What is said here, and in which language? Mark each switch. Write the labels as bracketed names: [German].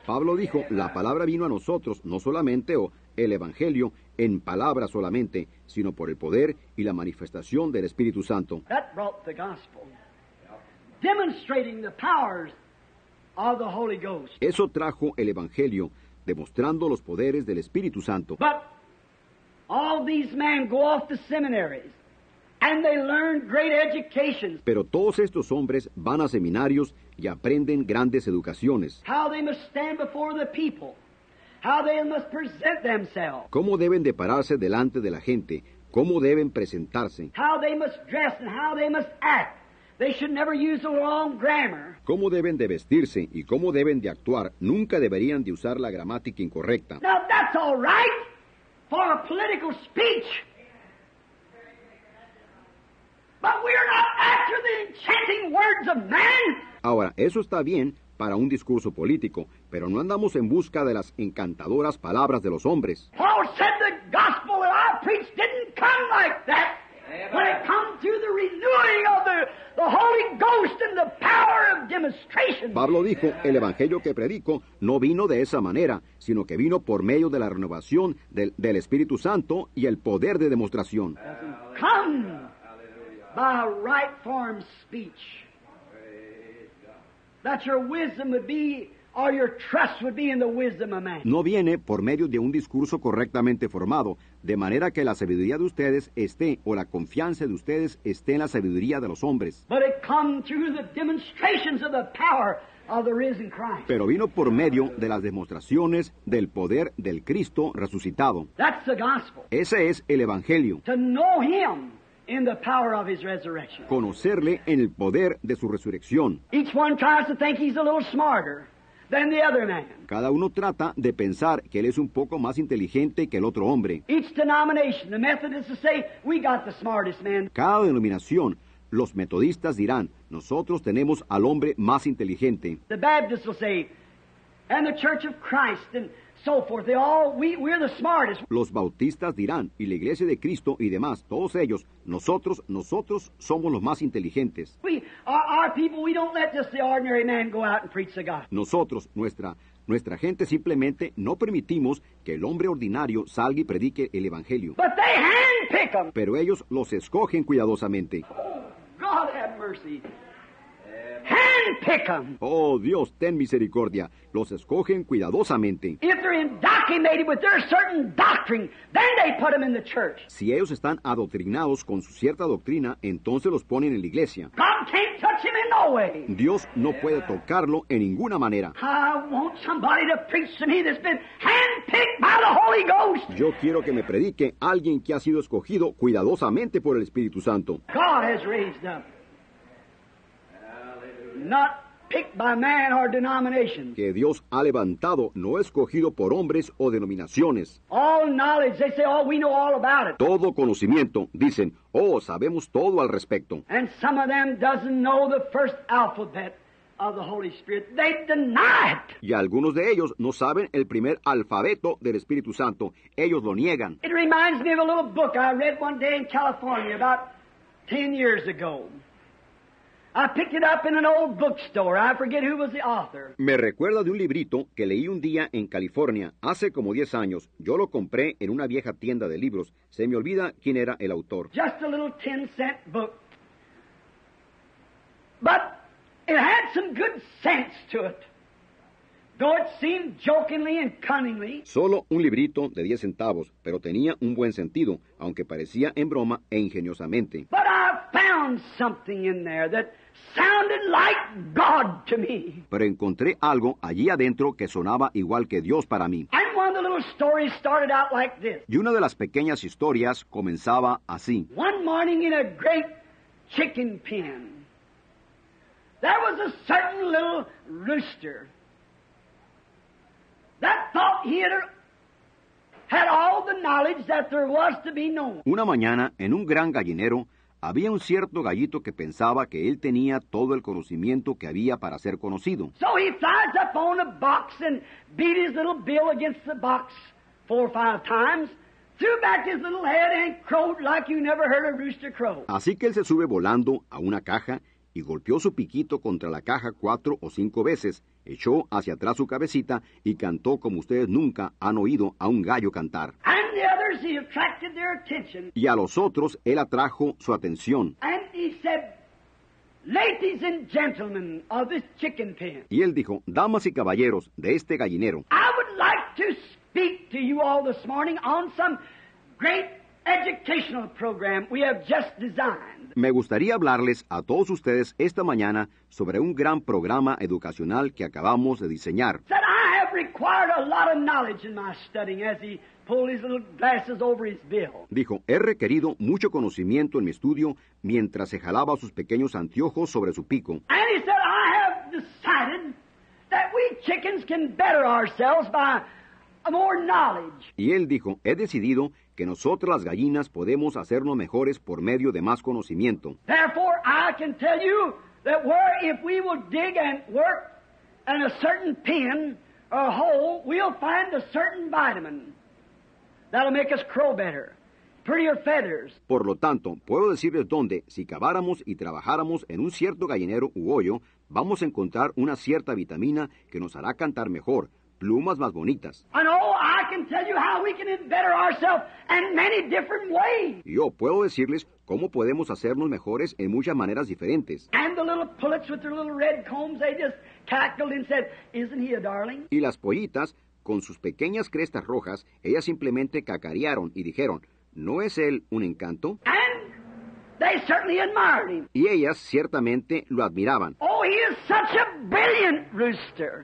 [Spanish] Pablo dijo, la palabra vino a nosotros, no solamente, o el Evangelio, en palabra solamente, sino por el poder y la manifestación del Espíritu Santo. [English] That brought the gospel, demonstrating the powers of the Holy Ghost. [Spanish] Eso trajo el Evangelio, demostrando los poderes del Espíritu Santo. [English] But all these men go off to seminaries. And they learn great educations. [Spanish] Pero todos estos hombres van a seminarios y aprenden grandes educaciones. [English] How they must stand before the people. How they must present themselves. [Spanish] Cómo deben de pararse delante de la gente. Cómo deben presentarse. [English] How they must dress and how they must act. They should never use the wrong grammar. [Spanish] ¿Cómo deben de vestirse y cómo deben de actuar? Nunca deberían de usar la gramática incorrecta. [English] Now that's all right for a political speech. But we are not after the enchanting words of man. [Spanish] Ahora, eso está bien para un discurso político, pero no andamos en busca de las encantadoras palabras de los hombres. [English] Paul said the gospel that I preached didn't come like that. When it comes to the renewing of the Holy Ghost and the power of demonstration. [Spanish] Pablo dijo, el evangelio que predico no vino de esa manera, sino que vino por medio de la renovación del Espíritu Santo y el poder de demostración. [English] Come by a right form speech. That your wisdom would be, or your trust would be in the wisdom of man. [Spanish] No viene por medio de un discurso correctamente formado, de manera que la sabiduría de ustedes esté, o la confianza de ustedes esté en la sabiduría de los hombres. [English] But it come through the demonstrations of the power of the risen Christ. [Spanish] Pero vino por medio de las demostraciones del poder del Cristo resucitado. [English] That's the gospel. [Spanish] Ese es el evangelio. [English] To know him in the power of his resurrection. [Spanish] Conocerle en el poder de su resurrección. [English] Each one tries to think he's a little smarter than the other man. [Spanish] Cada uno trata de pensar que él es un poco más inteligente que el otro hombre. [English] Each denomination, the Methodists say, we got the smartest man. [Spanish] Cada denominación, los metodistas dirán, nosotros tenemos al hombre más inteligente. [English] The Baptists will say, and the Church of Christ, and so forth. They all, we're the smartest. [Spanish] Los bautistas dirán, y la Iglesia de Cristo y demás, todos ellos, nosotros somos los más inteligentes. [English] Our people, we don't let just the ordinary man go out and preach the gospel. [Spanish] Nosotros, nuestra gente simplemente no permitimos que el hombre ordinario salga y predique el evangelio. [English] But they handpick them. [Spanish] Pero ellos los escogen cuidadosamente. [English] Oh, God have mercy. Handpick them. [Spanish] Oh, Dios, ten misericordia. Los escogen cuidadosamente. [English] If they're indoctrinated with their certain doctrine, then they put them in the church. [Spanish] Si ellos están adoctrinados con su cierta doctrina, entonces los ponen en la iglesia. [English] God can't touch him in no way. [Spanish] Dios no puede tocarlo en ninguna manera. [English] I want somebody to preach to me that's been handpicked by the Holy Ghost. [Spanish] Yo quiero que me predique alguien que ha sido escogido cuidadosamente por el Espíritu Santo. [English] God has raised them. Not picked by man or denominations. [Spanish] Que Dios ha levantado, no escogido por hombres o denominaciones. [English] All knowledge, they say, oh, we know all about it. [Spanish] Todo conocimiento, dicen, oh, sabemos todo al respecto. [English] And some of them doesn't know the first alphabet of the Holy Spirit. They deny it. [Spanish] Y algunos de ellos no saben el primer alfabeto del Espíritu Santo. Ellos lo niegan. [English] It reminds me of a little book I read one day in California about 10 years ago. I picked it up in an old bookstore. I forget who was the author. [Spanish] Me recuerda de un librito que leí un día en California, hace como 10 años. Yo lo compré en una vieja tienda de libros. Se me olvida quién era el autor. [English] Just a little 10-cent book. But it had some good sense to it. Though it seemed jokingly and cunningly. [Spanish] Solo un librito de 10 centavos, pero tenía un buen sentido, aunque parecía en broma e ingeniosamente. [English] But I found something in there that sounded like God to me. [Spanish] Pero encontré algo allí adentro que sonaba igual que Dios para mí. [English] And one of the little stories started out like this. [Spanish] Y una de las pequeñas historias comenzaba así. [English] One morning in a great chicken pen, there was a certain little rooster that thought he had all the knowledge that there was to be known. [Spanish] Una mañana en un gran gallinero, había un cierto gallito que pensaba que él tenía todo el conocimiento que había para ser conocido. [English] So he flies up on a box and beat his little bill against the box 4 or 5 times, threw back his little head and crowed like you never heard a rooster crow. [Spanish] Así que él se sube volando a una caja y golpeó su piquito contra la caja 4 o 5 veces, echó hacia atrás su cabecita y cantó como ustedes nunca han oído a un gallo cantar. [English] And the others, he attracted their attention. [Spanish] Y a los otros, él atrajo su atención. [English] And he said, ladies and gentlemen of this chicken pen. [Spanish] Y él dijo, damas y caballeros de este gallinero. [English] I would like to speak to you all this morning on some great educational program we have just designed. [Spanish] Me gustaría hablarles a todos ustedes esta mañana sobre un gran programa educacional que acabamos de diseñar. [English] That I have required a lot of knowledge in my studying as he pulled his little glasses over his bill. [Spanish] Dijo, he requerido mucho conocimiento en mi estudio mientras se jalaba sus pequeños anteojos sobre su pico. [English] And he said, I have decided that we chickens can better ourselves by more knowledge. [Spanish] Y él dijo, he decidido que nosotras las gallinas podemos hacernos mejores por medio de más conocimiento. [English] Therefore, I can tell you that where if we will dig and work in a certain pen or a hole, we'll find a certain vitamin that'll make us crow better, prettier feathers. [Spanish] Por lo tanto, puedo decirles dónde, si caváramos y trabajáramos en un cierto gallinero u hoyo, vamos a encontrar una cierta vitamina que nos hará cantar mejor, plumas más bonitas. [English] And oh, I can tell you how we can better ourselves in many different ways. [Spanish] Yo puedo decirles cómo podemos hacernos mejores en muchas maneras diferentes. [English] And the little pullets with their little red combs, they just cackled and said, isn't he a darling? [Spanish] Y las pollitas, con sus pequeñas crestas rojas, ellas simplemente cacarearon y dijeron, ¿no es él un encanto? [English] And they certainly admired him. [Spanish] Y ellas ciertamente lo admiraban. [English] Oh, he is such a brilliant rooster.